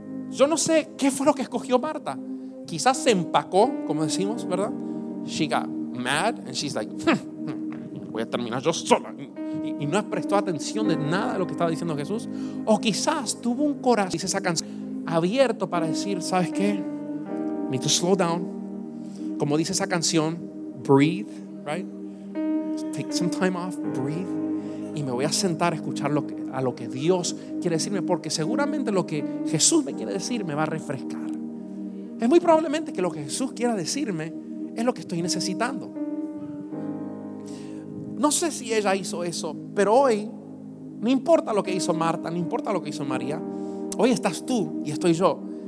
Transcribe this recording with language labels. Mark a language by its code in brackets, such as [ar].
[es] Yo no sé qué fue lo que escogió Marta. Quizás se empacó, como decimos, ¿verdad? [en] She got mad and she's like, [es] voy a terminar yo sola. Y no prestó atención de nada de lo que estaba diciendo Jesús. O quizás tuvo un corazón, dice esa canción, abierto para decir: ¿sabes qué? [en] Need to slow down. [es] Como dice esa canción, [en] breathe, right? Take some time off, breathe. [es] Y me voy a sentar a escuchar a lo que Dios quiere decirme, porque seguramente lo que Jesús me quiere decir me va a refrescar. Es muy probablemente que lo que Jesús quiera decirme es lo que estoy necesitando. No sé si ella hizo eso, pero hoy, no importa lo que hizo Marta, no importa lo que hizo María, hoy estás tú y estoy yo.